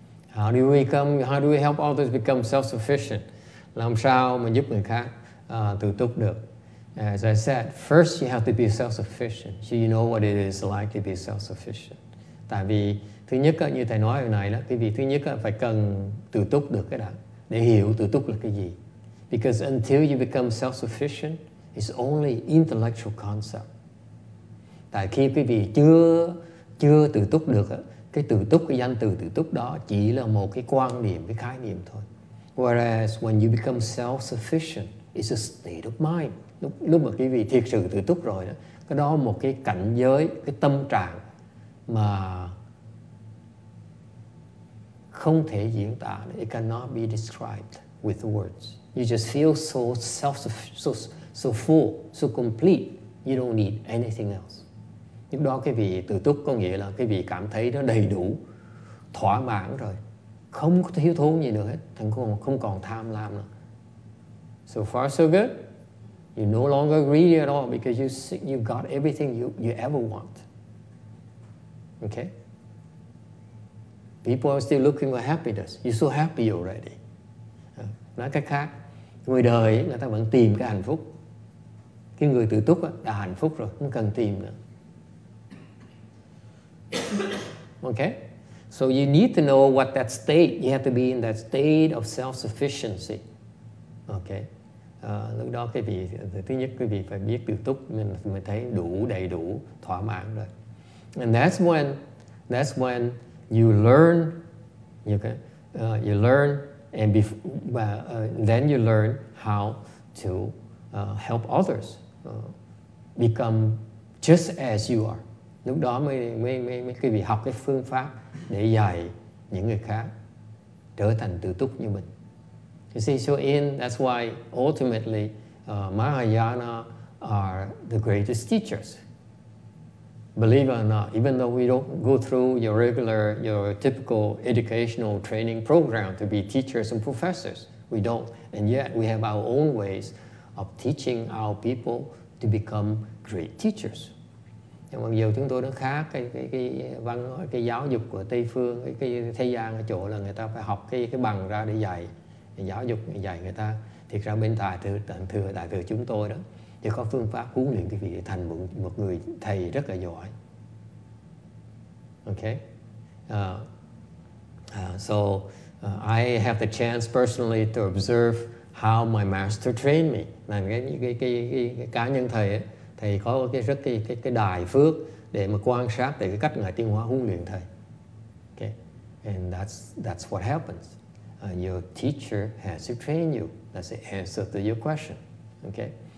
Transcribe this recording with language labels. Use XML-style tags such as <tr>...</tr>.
<en>How do we help others become self-sufficient?</en> <vi>Làm sao mà giúp người khác tự túc được?</vi> <en>As I said, first you have to be self-sufficient. So you know what it is like to be self-sufficient.</en> <vi>Tại vì thứ nhất như thầy nói hồi nãy đó, quý vị thứ nhất phải cần tự túc được cái đã để hiểu tự túc là cái gì.</vi> <en>Because until you become self-sufficient, it's only intellectual concept.</en> <vi>Tại khi quý vị chưa tự túc được á. Cái tự túc, cái danh từ tự túc đó chỉ là một cái quan niệm, cái khái niệm thôi.</vi> <en>Whereas when you become self-sufficient, it's a state of mind.</en> <vi>Lúc mà quý vị thiệt sự tự túc rồi đó, Cái đó một cái cảnh giới, cái tâm trạng mà không thể diễn tả.</vi> <en>It cannot be described with words. You just feel so self, so full, so complete. You don't need anything else.</en> <vi>Lúc đó cái vị tự túc có nghĩa là cái vị cảm thấy nó đầy đủ, thỏa mãn rồi, không có thiếu thốn gì nữa hết, thành công không còn tham lam nữa.</vi> <en>So far so good. You no longer greedy at all because you got everything you ever want. Okay. People are still looking for happiness. You're so happy already.</en> <vi>Nói cách khác, người đời ấy, người ta vẫn tìm cái hạnh phúc. Cái người tự túc ấy, đã hạnh phúc rồi, không cần tìm nữa.</vi> <en>Okay. So you need to know what that state. You have to be in that state of self-sufficiency. Okay.</en> <vi>Lúc đó cái vị, thứ nhất cái vị phải biết tự túc, mình thấy đủ, đầy đủ, thỏa mãn rồi.</vi> <en>And that's when you learn, then you learn how to help others become just as you are.</en> <vi>Lúc đó mới cái vị học cái phương pháp để dạy những người khác trở thành tự túc như mình.</vi> <en>You see, so in, that's why ultimately Mahayana are the greatest teachers. Believe it or not, even though we don't go through your typical educational training program to be teachers and professors, we don't. And yet we have our own ways of teaching our people to become great teachers.</en> <vi>Nhưng mà nhiều chúng tôi nó khác cái giáo dục của Tây Phương, cái thế gian ở chỗ là người ta phải học cái bằng ra để dạy. Giáo dục dạy người ta, thiệt ra bên đại thừa chúng tôi đó thì có phương pháp huấn luyện cái vị thành một người thầy rất là giỏi.</vi> <en>Okay, I have the chance personally to observe how my master trained me.</en> <vi>Là cái cá nhân thầy ấy, thầy có cái đài phước để mà quan sát về cái cách ngài tiến hóa huấn luyện thầy.</vi> <en>Okay, and that's what happens. Your teacher has to train you. That's the answer to your question. Okay.</en>